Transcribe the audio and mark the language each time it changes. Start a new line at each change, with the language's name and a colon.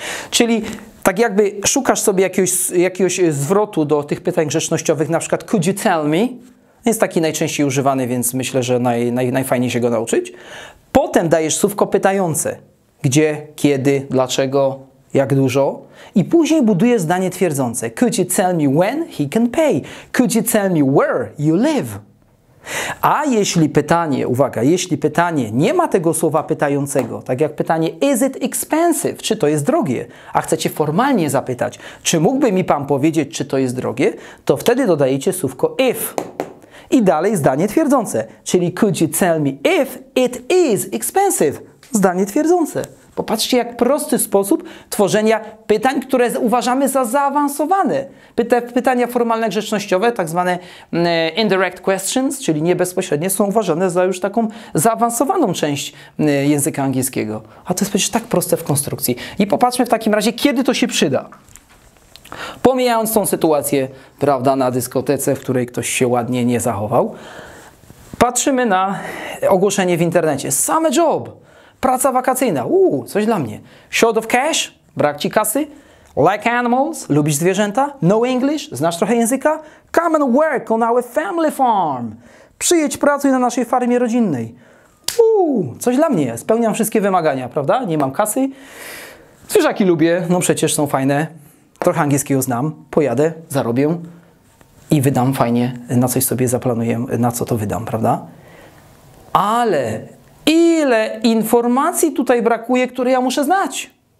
Polish: Czyli tak jakby szukasz sobie jakiegoś zwrotu do tych pytań grzecznościowych, na przykład
English: could you tell me?
Polish: Jest taki najczęściej używany, więc myślę, że najfajniej się go nauczyć. Potem dajesz słówko pytające. Gdzie, kiedy, dlaczego, jak dużo. I później budujesz zdanie twierdzące.
English: Could you tell me when he can pay? Could you tell me where you live?
Polish: A jeśli pytanie, uwaga, jeśli pytanie nie ma tego słowa pytającego, tak jak pytanie
English: is it expensive,
Polish: czy to jest drogie, a chcecie formalnie zapytać, czy mógłby mi pan powiedzieć, czy to jest drogie, to wtedy dodajecie słówko if i dalej zdanie twierdzące, czyli
English: could you tell me if it is expensive,
Polish: zdanie twierdzące. Popatrzcie, jak prosty sposób tworzenia pytań, które uważamy za zaawansowane. Pytania formalne, grzecznościowe, tak zwane
English: indirect questions,
Polish: czyli niebezpośrednie, są uważane za już taką zaawansowaną część języka angielskiego. A to jest przecież tak proste w konstrukcji. I popatrzmy w takim razie, kiedy to się przyda. Pomijając tą sytuację, prawda, na dyskotece, w której ktoś się ładnie nie zachował, patrzymy na ogłoszenie w internecie.
English: Same job!
Polish: Praca wakacyjna. Coś dla mnie.
English: Short of cash?
Polish: Brak ci kasy?
English: Like animals?
Polish: Lubisz zwierzęta?
English: No English?
Polish: Znasz trochę języka?
English: Come and work on our family farm.
Polish: Przyjedź, pracuj na naszej farmie rodzinnej. Coś dla mnie. Spełniam wszystkie wymagania, prawda? Nie mam kasy. Zwierzaki lubię. No przecież są fajne. Trochę angielskiego znam. Pojadę, zarobię i wydam fajnie. Na coś sobie zaplanuję, na co to wydam, prawda? Ale ile informacji tutaj brakuje, które ja muszę znać?